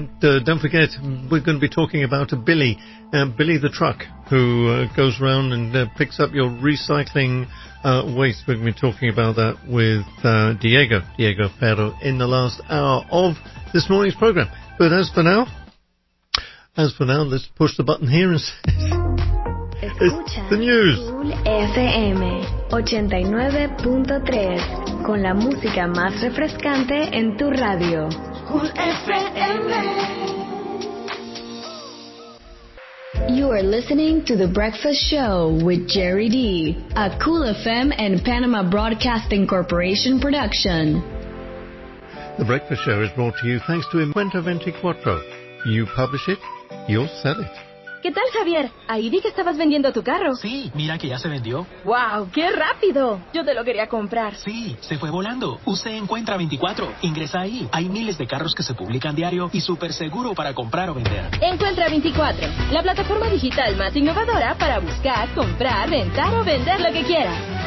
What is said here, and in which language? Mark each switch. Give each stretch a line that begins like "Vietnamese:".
English: Don't forget, we're going to be talking about Billy the truck, who goes around and picks up your recycling waste. We're going to be talking about that with Diego Ferro in the last hour of this morning's program. But as for now, let's push the button here and see.
Spanish: Escucha
English: the news.
Spanish: Cool FM 89.3 con la música más refrescante en tu radio. Cool FM.
English: You are listening to The Breakfast Show with Jerry D, a Cool FM and Panama Broadcasting Corporation production. The Breakfast Show is brought to you thanks to Inventa 24. You publish it, you'll sell it.
Spanish: ¿Qué tal, Javier? Ahí vi que estabas vendiendo tu carro. Sí, mira que ya se vendió. ¡Wow! ¡Qué rápido! Yo te lo quería comprar. Sí, se fue volando. Use Encuentra 24. Ingresa ahí. Hay miles de carros que se publican diario y súper seguro para comprar o vender. Encuentra 24, la plataforma digital más innovadora para buscar, comprar, rentar o vender lo que quieras.